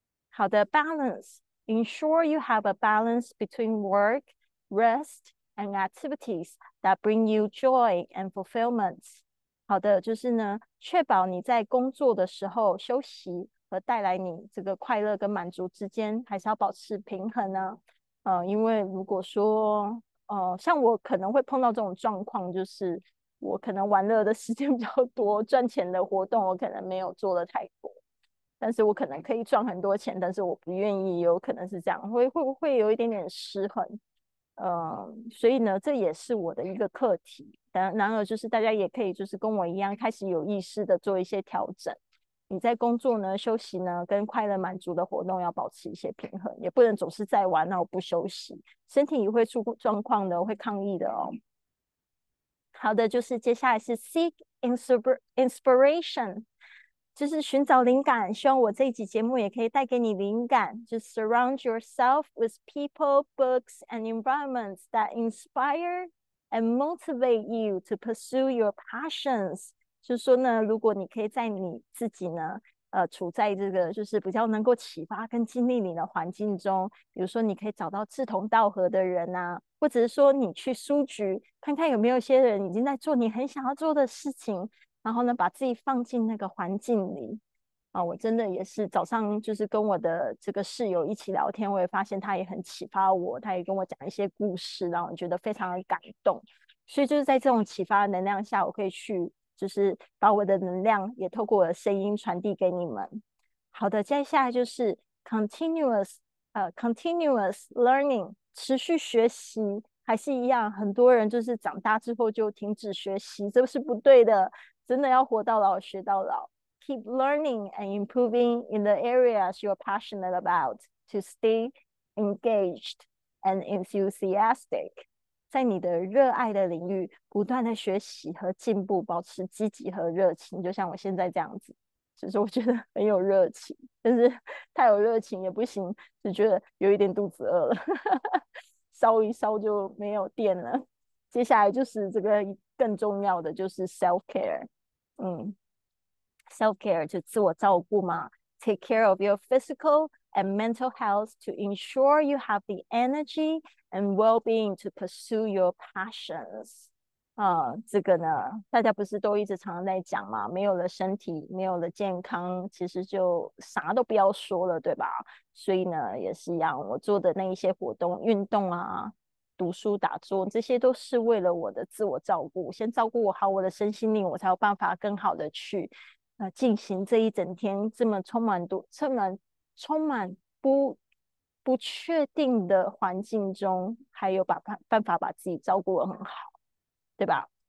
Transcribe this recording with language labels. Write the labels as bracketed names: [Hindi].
[Chinese] 好的， [English] balance ensure you have a balance between work, rest and activities that bring you joy and fulfillment。 [Chinese] 好的，就是呢，确保你在工作的时候休息和带来你这个快乐跟满足之间，还是要保持平衡呢、啊？因为如果说，像我可能会碰到这种状况，就是我可能玩乐的时间比较多，赚钱的活动我可能没有做的太多，但是我可能可以赚很多钱，但是我不愿意，有可能是这样，会不会有一点点失衡？所以呢，这也是我的一个课题。然而，就是大家也可以就是跟我一样，开始有意识的做一些调整。你在工作呢、休息呢、跟快乐满足的活动要保持一些平衡，也不能总是在玩然后不休息，身体也会出状况的，会抗议的哦。好的，就是接下来是 seek inspiration，就是寻找灵感。希望我这一集节目也可以带给你灵感。 [English] 就 surround yourself with people, books, and environments that inspire and motivate you to pursue your passions。 [Chinese] 就是说呢，如果你可以在你自己呢，处在这个就是比较能够启发跟激励你的环境中，比如说你可以找到志同道合的人啊，或者是说你去书局看看有没有一些人已经在做你很想要做的事情。然后呢，把自己放进那个环境里啊，我真的也是早上就是跟我的这个室友一起聊天，我也发现他也很启发我，他也跟我讲一些故事，让我觉得非常的感动。所以就是在这种启发的能量下，我可以去就是把我的能量也透过我的声音传递给你们。好的，接下来就是 continuous learning，持续学习。还是一样，很多人就是长大之后就停止学习，这是不对的。真的要活到老，学到老。 [English] Keep learning and improving in the areas you're passionate about to stay engaged and enthusiastic。 [Chinese] 在你的热爱的领域，不断的学习和进步，保持积极和热情。就像我现在这样子，就是我觉得很有热情，但是太有热情也不行，只觉得有一点肚子饿了。烧一烧就没有电了。接下来就是这个更重要的，就是 self care。 self care 就自我照顾嘛。 [English] Take care of your physical and mental health to ensure you have the energy and well-being to pursue your passions。 [Chinese] 这个呢，大家不是都一直常常在讲嘛，没有了身体，没有了健康，其实就啥都不要说了，对吧？所以呢，也是一样，我做的那一些活动、运动啊、读书、打坐，这些都是为了我的自我照顾，先照顾好我的身心灵，我才有办法更好的去进行这一整天这么充满多、这么充满不确定的环境中，还有办法把自己照顾得很好。对吧？